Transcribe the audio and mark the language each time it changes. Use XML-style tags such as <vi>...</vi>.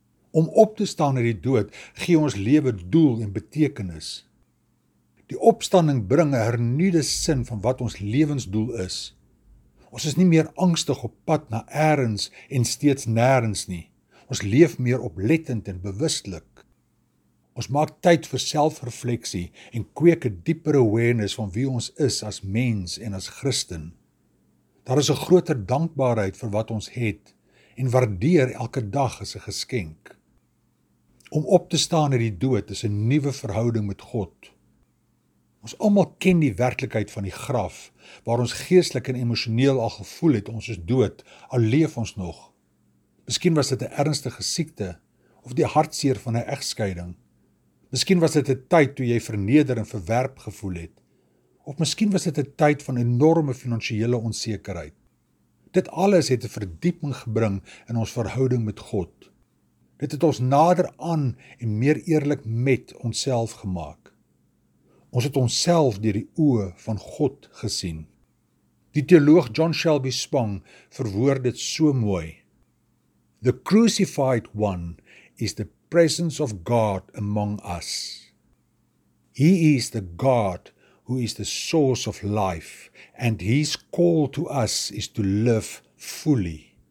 <af>Om op te staan uit die dood gee ons lewe doel en betekenis. Die opstanding bring 'n hernuide sin van wat ons lewensdoel is. Ons is nie meer angstig op pad na ergens en steeds nêrens nie. Ons leef meer oplettend en bewustelik. Ons maak tyd vir selfrefleksie en kweek 'n dieper awareness van wie ons is as mens en as Christen. Daar is 'n groter dankbaarheid vir wat ons het en waardeer elke dag as 'n geskenk. Om op te staan uit die dood is 'n nuwe verhouding met God. Ons almal ken die werklikheid van die graf, waar ons geestelik en emosioneel al gevoel het, ons is dood, al leef ons nog. Miskien was dit 'n ernstige siekte, of die hartseer van 'n egskeiding. Miskien was dit 'n tyd toe jy verneder en verwerp gevoel het. Of miskien was dit 'n tyd van enorme finansiële onsekerheid. Dit alles het 'n verdieping gebring in ons verhouding met God. Dit het ons nader aan en meer eerlik met onsself gemaak. Ons het onsself deur die oë van God gesien. Die teoloog John Shelby Spong verwoord dit so mooi.</af> <en>The crucified one is the presence of God among us. He is the God who is the source of life, and his call to us is to live fully.</en>